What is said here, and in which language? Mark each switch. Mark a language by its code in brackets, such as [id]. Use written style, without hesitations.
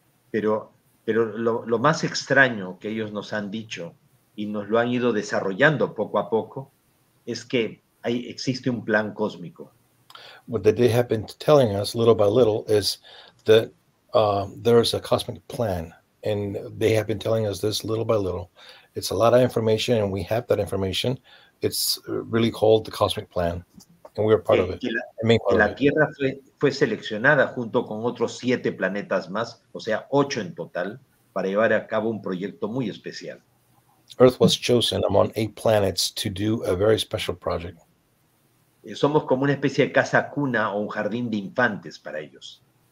[es] Pero lo más extraño que ellos nos han dicho y nos lo han ido desarrollando poco a poco es que ahí existe un plan cósmico. [en] What they have been telling us little by little is that there is a cosmic plan, and they have been telling us this little by little. It's a lot of information, and we have that information. It's really called the cosmic plan, and we are part of it. [es] La Tierra fue seleccionada junto con otros 7 planetas más, o sea, 8 en total, para llevar a cabo un proyecto muy especial. [en] Earth was chosen among 8 planets to do a very special project. [es] Somos como una especie de casa cuna o un jardín de infantes para ellos.